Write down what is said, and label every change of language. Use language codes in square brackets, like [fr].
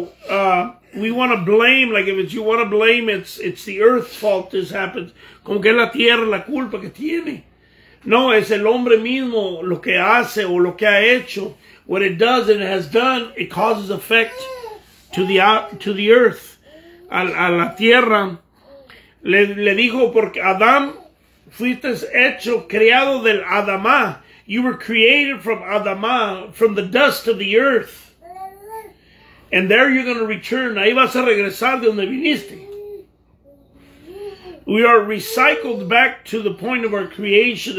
[en] And here we want to blame, like if it's, you want to blame, it's the earth's fault this happens. [es] Como que es la tierra la culpa que tiene. No, es el hombre mismo lo que hace o lo que ha hecho. [en] What it does and it has done, it causes effect to the earth, [es] a la tierra. Le dijo, porque Adam, fuiste hecho, creado del Adama. [en] You were created from Adama, from the dust of the earth. And there you're going to return. [es] Ahí vas a regresar de donde viniste. [en] We are recycled back to the point of our creation.